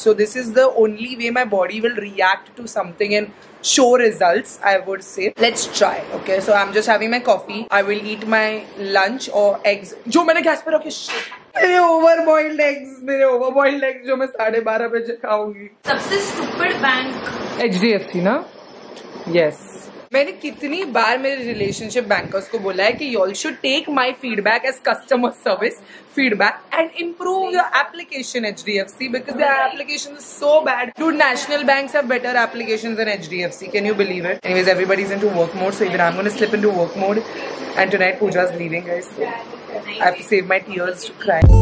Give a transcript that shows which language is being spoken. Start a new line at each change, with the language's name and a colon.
English: So this is the only way my body will react to something and show results, I would say. Let's try. Okay, so I'm just having my coffee. I will eat my lunch or eggs.
Hindi: जो मैंने gas पर रखे shit. मेरे over boiled eggs, मेरे over boiled eggs जो मैं 12:30 बजे खाऊंगी. सबसे स्टूपिड बैंक HDFC ना. यस, मैंने कितनी बार मेरे रिलेशनशिप बैंकर्स को बोला है कि
English: You all should take my feedback as customer service feedback and improve your application HDFC because their application is so bad. Dude, national banks have better applications than HDFC. Can you believe it? Anyways, everybody is into work mode, so even I am gonna slip into work mode and tonight Puja is leaving guys. I have to save my tears to cry.